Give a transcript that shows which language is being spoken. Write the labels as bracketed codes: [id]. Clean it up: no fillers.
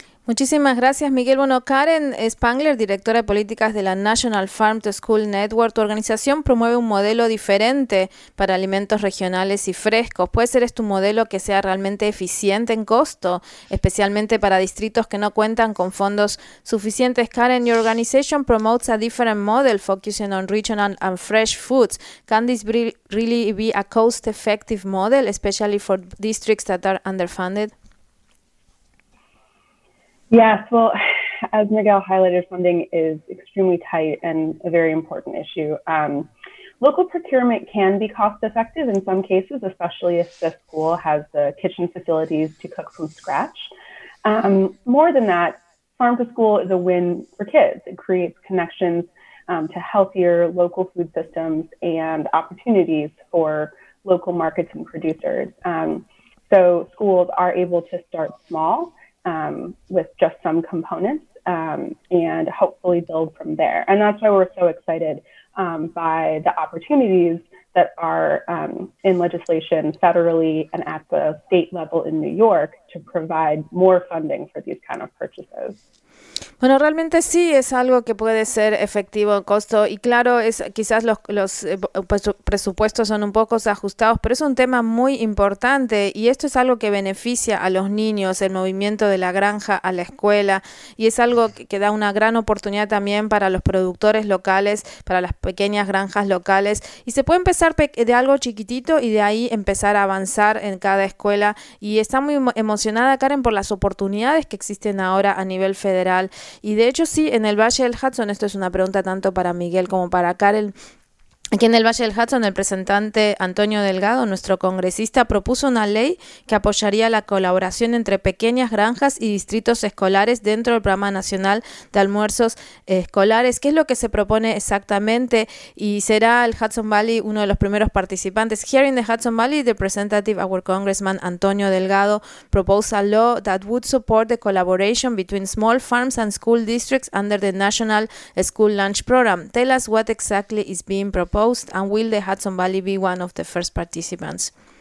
[es] Muchísimas gracias, Miguel. Bueno, Karen Spangler, directora de políticas de la National Farm to School Network, tu organización promueve un modelo diferente para alimentos regionales y frescos. ¿Puede ser este un modelo que sea realmente eficiente en costo, especialmente para distritos que no cuentan con fondos suficientes? [en] Karen, your organization promotes a different model focusing on regional and fresh foods. Can this really be a cost-effective model, especially for districts that are underfunded? Yes, well, as Miguel highlighted, funding is extremely tight and a very important issue. Local procurement can be cost effective in some cases, especially if the school has the kitchen facilities to cook from scratch. More than that, farm to school is a win for kids. It creates connections to healthier local food systems and opportunities for local markets and producers. So schools are able to start small, with just some components, and hopefully build from there. And that's why we're so excited by the opportunities that are in legislation federally and at the state level in New York to provide more funding for these kind of purchases. [es] Bueno, realmente sí es algo que puede ser efectivo en costo y claro, es quizás los presupuestos son un poco ajustados, pero es un tema muy importante y esto es algo que beneficia a los niños, el movimiento de la granja a la escuela y es algo que da una gran oportunidad también para los productores locales, para las pequeñas granjas locales y se puede empezar de algo chiquitito y de ahí empezar a avanzar en cada escuela y está muy emocionada Karen por las oportunidades que existen ahora a nivel federal. Y de hecho, sí, en el Valle del Hudson, esto es una pregunta tanto para Miguel como para Karen. Aquí en el Valle del Hudson, el representante Antonio Delgado, nuestro congresista, propuso una ley que apoyaría la colaboración entre pequeñas granjas y distritos escolares dentro del Programa Nacional de Almuerzos Escolares. ¿Qué es lo que se propone exactamente? Y será el Hudson Valley uno de los primeros participantes. [en] Here in the Hudson Valley, the representative, our congressman Antonio Delgado, proposed a law that would support the collaboration between small farms and school districts under the National School Lunch Program. Tell us what exactly is being proposed. Post and will the Hudson Valley be one of the first participants?